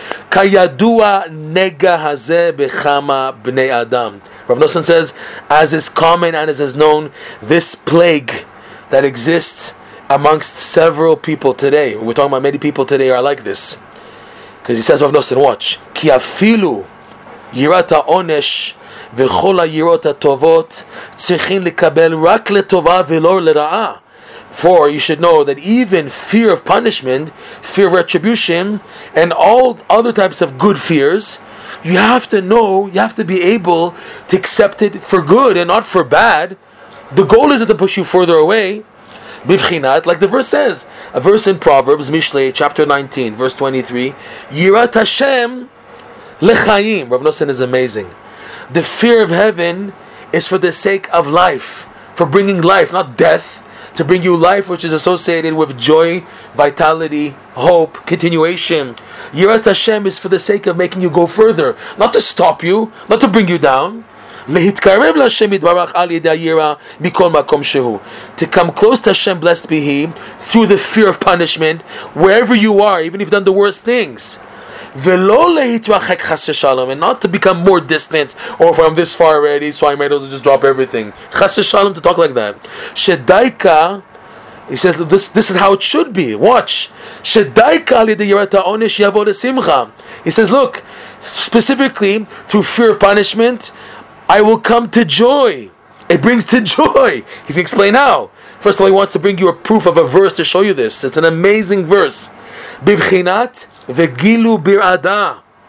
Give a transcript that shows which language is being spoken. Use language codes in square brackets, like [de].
[he] Kayadua nega haze bechama bnei adam. [en] Rav Nosson says, as is common and as is known, this plague that exists amongst several people today. We're talking about many people today are like this, because he says, Rav Nosson, watch. [he] Ki afilu yirat ha'onesh. וכל היראות הטובות צריכים לקבל רק לטובה ולא לרעה. [en] For you should know that even fear of punishment, fear of retribution, and all other types of good fears, you have to know, you have to be able to accept it for good and not for bad. The goal isn't to push you further away. בבחינת, like the verse says, a verse in Proverbs, Mishlei, chapter 19, verse 23, [he] יראת השם לחיים. [en] Rav Nosson is amazing. The fear of heaven is for the sake of life, for bringing life, not death, to bring you life, which is associated with joy, vitality, hope, continuation. Yirat Hashem is for the sake of making you go further, not to stop you, not to bring you down. [he] להתקרב לשם יתברך על ידי הירא מכל מקום שהוא. [en] To come close to Hashem, blessed be He, through the fear of punishment, wherever you are, even if you've done the worst things. [he] ולא להתרחק חס ושלום, [en] and not to become more distant, or if I'm this far already, so I might as well just drop everything. [he] חס ושלום, [en] to talk like that. שדייקה, he says, this is how it should be. Watch. [he] שדייקה על ידי יראת העונש יבוא לשמחה. [en] He says, look, specifically, through fear of punishment, I will come to joy. It brings to joy. He's going to explain how. First of all, he wants to bring you a proof of a verse to show you this. It's an amazing verse. [he] בבחינת וגילו בירעדה.